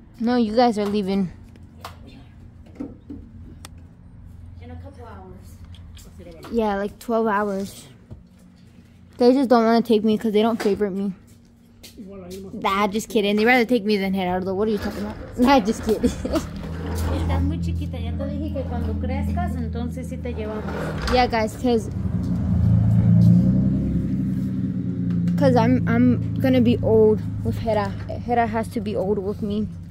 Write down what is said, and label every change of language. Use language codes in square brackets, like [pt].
[en] No, you guys are leaving. In a couple hours. Yeah, like 12 hours. They just don't want to take me because they don't favorite me. Nah, just kidding. They'd rather take me than Gerardo. What are you talking about? Nah, just kidding. [es] Chiquita, ya te dije que cuando crezcas, entonces sí te llevamos. [en] Yeah, guys, cause I'm gonna be old with Hera. Hera has to be old with me.